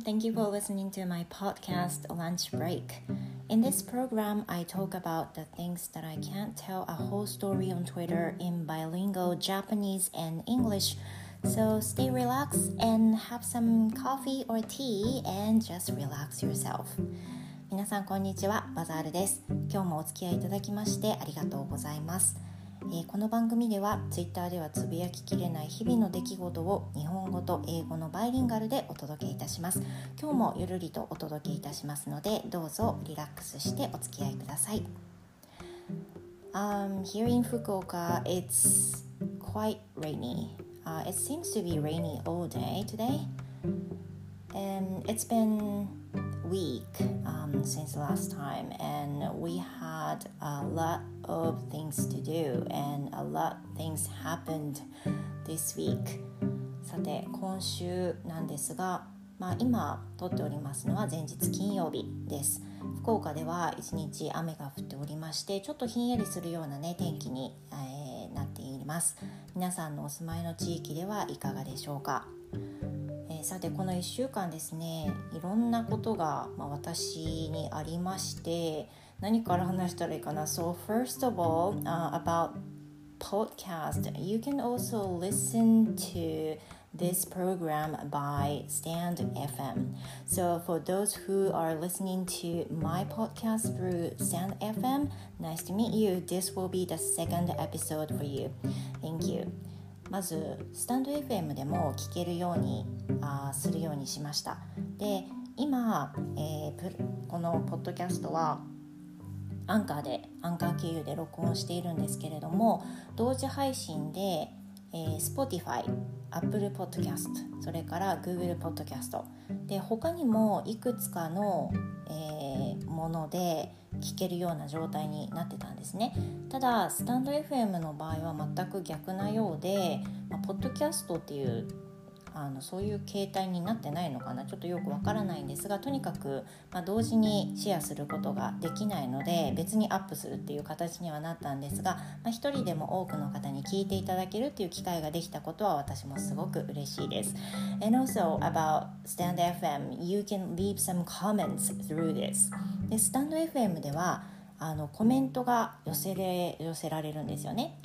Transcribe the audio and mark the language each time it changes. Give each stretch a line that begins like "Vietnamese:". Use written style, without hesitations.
English: Thank you for listening to my podcast, Lunch Break. In this program, I talk about the things that I can't tell a whole story on Twitter in bilingual Japanese and English. So stay relaxed and have some coffee or tea and just relax yourself.
Japanese: 皆さんこんにちは、バザールです。今日もお付き合いいただきましてありがとうございます。この番組では Twitter ではつぶやききれない日々の出来事を日本語と英語のバイリンガルでお届けいたします。今日もゆるりとお届けいたしますので、どうぞリラックスしてお付き合いください。
English: Here in Fukuoka, it's quite rainy. It seems to be rainy all day today. And it's been week since last time, and we had a lot of things to do and a lot things happened this week.
Japanese: さて今週なんですが、まあ、今撮っておりますのは前日金曜日です。福岡では一日雨が降っておりまして、ちょっとひんやりするような、ね、天気に、なっています。皆さんのお住まいの地域ではいかがでしょうか。さてこの1週間ですね、いろんなことが、まあ、私にありまして、何から話したらいいかな。
English: So first of all, about podcast, you can also listen to this program by Stand FM. So for those who are listening to my podcast through Stand FM, nice to meet you. This will be the second episode for you. Thank you.
Japanese: まずスタンド FM でも聞けるようにするようにしました。で今、このポッドキャストはアンカー経由で録音しているんですけれども、同時配信で、Spotify、Apple Podcast、それから Google Podcast で、他にもいくつかの、もので聞けるような状態になってたんですね。ただスタンド FM の場合は全く逆なようで、まあ、ポッドキャストっていうそういう形態になってないのかな、ちょっとよくわからないんですが、とにかく、まあ、同時にシェアすることができないので、別にアップするっていう形にはなったんですが、まあ、一人でも多くの方に聞いていただけるっていう機会ができたことは私もすごく嬉しいです。
English: And also about Stand FM, you can leave some comments through this.
Japanese: で、スタンド FM ではコメントが寄せられるんですよね。